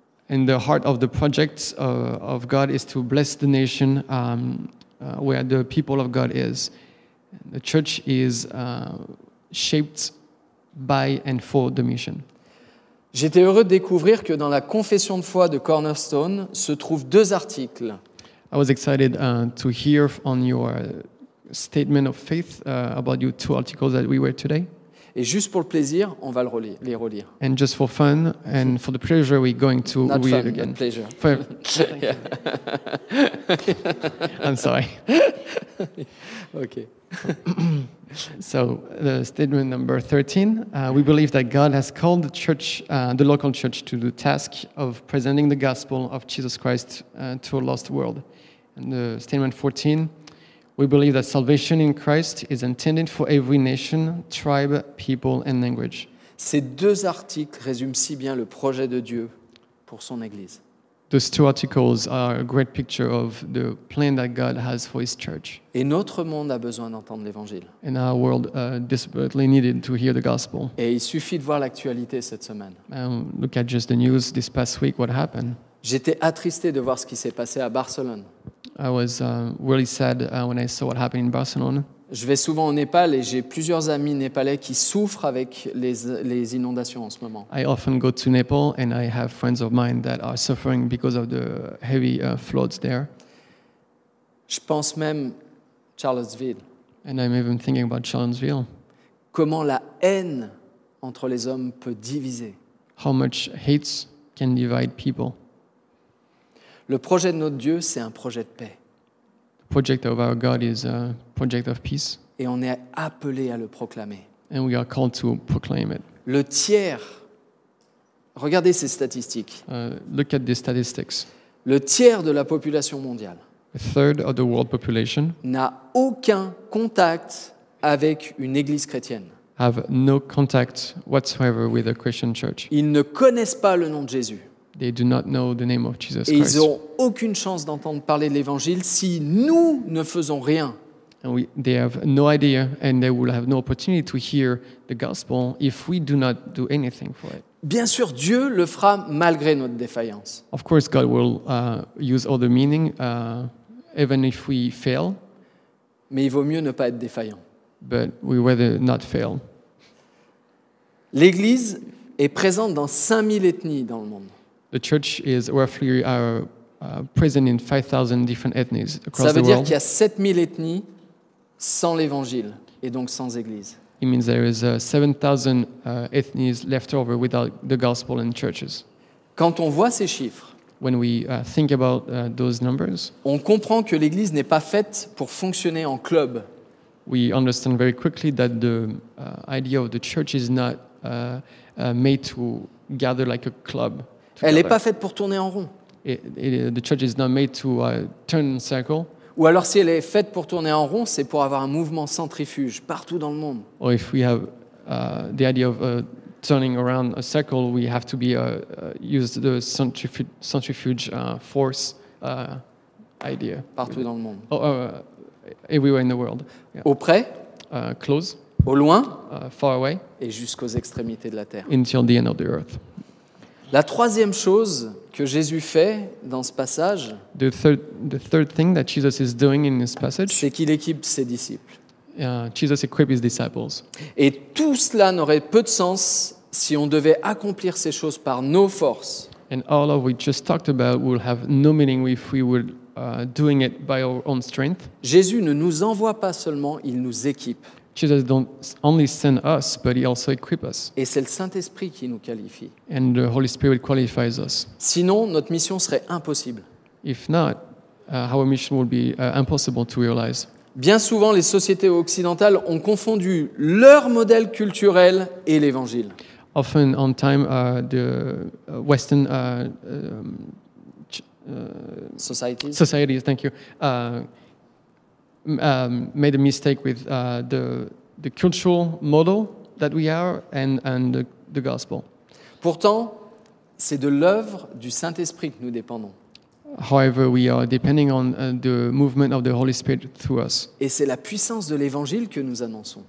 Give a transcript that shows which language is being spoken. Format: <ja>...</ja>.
<en>And the heart of the project of God is to bless the nation where the people of God is. The church is shaped by and for the mission.</en> <fr>J'étais heureux de découvrir que dans la confession de foi de Cornerstone se trouvent deux articles.</fr> <en>I was excited to hear on your statement of faith about your two articles that we read today.</en> <fr>Et juste pour le plaisir, on va les relire.</fr> <en>And just for fun and for the pleasure, we're going to not read fun, again. Not pleasure. For I'm sorry. Okay. So the statement number 13: We believe that God has called the church, the local church, to the task of presenting the gospel of Jesus Christ to a lost world. And the statement 14. We believe that salvation in Christ is intended for every nation, tribe, people, and language.</en> <fr>Ces deux articles résument si bien le projet de Dieu pour son Église.</fr> <en>Those two articles are a great picture of the plan that God has for His church.</en> <fr>Et notre monde a besoin d'entendre l'Évangile.</fr> <en>And our world desperately needed to hear the gospel.</en> <fr>Et il suffit de voir l'actualité cette semaine.</fr> <en>Look at just the news this past week, what happened.</en> <fr>J'étais attristé de voir ce qui s'est passé à Barcelone.</fr> <en>I was really sad when I saw what happened in Barcelona.</en> <fr>Je vais souvent au Népal et j'ai plusieurs amis népalais qui souffrent avec les inondations en ce moment.</fr> <en>I often go to Nepal and I have friends of mine that are suffering because of the heavy floods there.</en> <fr>Je pense même Charlottesville.</fr> <en>And I'm even thinking about Charlottesville.</en> <fr>Comment la haine entre les hommes peut diviser?</fr> <en>How much hate can divide people?</en> <fr>Le projet de notre Dieu, c'est un projet de paix.</fr> <en>The project of our God is a project of peace.</en> <fr>Et on est appelé à le proclamer.</fr> <en>And we are called to proclaim it.</en> <fr>Le tiers, regardez ces statistiques.</fr> <en>Look at these statistics.</en> <fr>Le tiers de la population mondiale.</fr> <en>A third of the world population.</en> <fr>N'a aucun contact avec une église chrétienne.</fr> <en>Have no contact whatsoever with a Christian church.</en> <fr>Ils ne connaissent pas le nom de Jésus.</fr> <en>They do not know the name of Jesus Christ.</en> <fr>Ils n'ont aucune chance d'entendre parler de l'Évangile si nous ne faisons rien.</fr> <en>They have no idea and they will have no opportunity to hear the gospel if we do not do anything for it.</en> <fr>Bien sûr, Dieu le fera malgré notre défaillance.</fr> <en>Of course, God will use other meaning even if we fail.</en> <fr>Mais il vaut mieux ne pas être défaillant.</fr> <en>But we rather not fail.</en> <fr>L'Église est présente dans 5000 ethnies dans le monde.</fr> <en>The church is roughly present in 5,000 different ethnies across the world.</en> <fr>Ça veut dire qu'il y a 7,000 ethnies sans l'évangile et donc sans église.</fr> <en>It means there is 7,000 ethnies left over without the gospel and churches.</en> <fr>Quand on voit ces chiffres,</fr> <en>when we think about those numbers,</en> <fr>on comprend que l'église n'est pas faite pour fonctionner en club.</fr> <en>We understand very quickly that the idea of the church is not made to gather like a club.</en> <fr>Elle n'est pas faite pour tourner en rond.</fr> <en>The church is not made to turn in circle.</en> <fr>Ou alors si elle est faite pour tourner en rond, c'est pour avoir un mouvement centrifuge partout dans le monde.</fr> <en>Or if we have the idea of turning around a circle, we have to be use the centrifuge force idea.</en> <fr>Partout dans le monde.</fr> <en>Everywhere in the world. Yeah.</en> <fr>Auprès.</fr> <en>Close.</en> <fr>Au loin.</fr> <en>Far away.</en> <fr>Et jusqu'aux extrémités de la terre.</fr> <en>Until the end of the earth.</en> <fr>La troisième chose que Jésus fait dans ce passage,</fr> <en>the third thing that Jesus is doing in this passage,</en> <fr>c'est qu'il équipe ses disciples.</fr> <en>Jesus equips his disciples.</en> <fr>Et tout cela n'aurait peu de sens si on devait accomplir ces choses par nos forces.</fr> <en>And all of what we just talked about will have no meaning if we were doing it by our own strength.</en> <fr>Jésus ne nous envoie pas seulement, il nous équipe.</fr> <en>Jesus don't only send us, but he also equips us.</en> <fr>Et c'est le Saint-Esprit qui nous qualifie.</fr> <en>And the Holy Spirit qualifies us.</en> <fr>Sinon, notre mission serait impossible.</fr> <en>If not, our mission would be impossible to realize.</en> <fr>Bien souvent, les sociétés occidentales ont confondu leur modèle culturel et l'Évangile.</fr> <en>Often, on time, the Western societies, thank you, made a mistake with the cultural model that we are and the gospel.</en> <fr>Pourtant, c'est de l'œuvre du Saint-Esprit que nous dépendons.</fr> <en>However, we are depending on the movement of the Holy Spirit through us.</en> <fr>Et c'est la puissance de l'Évangile que nous annonçons.</fr>